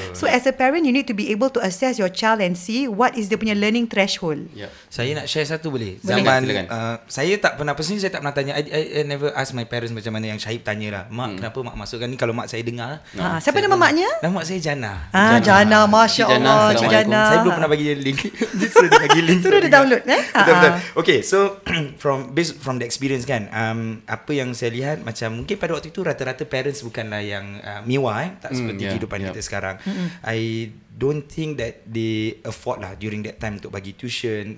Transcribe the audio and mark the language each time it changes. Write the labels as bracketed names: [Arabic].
[English] So as a parent, you need to be able to assess your child and see what is [Malay] dia punya learning threshold. Saya nak share satu boleh? Zaman saya tak pernah, personally saya tak pernah tanya. [English] I never ask my parents [Malay] macam mana yang Syahib tanya lah. Mak, kenapa mak masukkan ni? Kalau mak saya dengar. Siapa nama maknya? Nama saya Jana. Jana, Masya Allah. Cik Jana. Saya belum pernah bagi dia link. Suruh dia download. [English] Okay, so based from the experience [Malay] kan, apa yang saya lihat, macam mungkin pada waktu itu rata-rata parents bukanlah yang mewah. Tak seperti kehidupan kita sekarang. [English] I don't think that they afford lah during that time [Malay] untuk bagi tuition.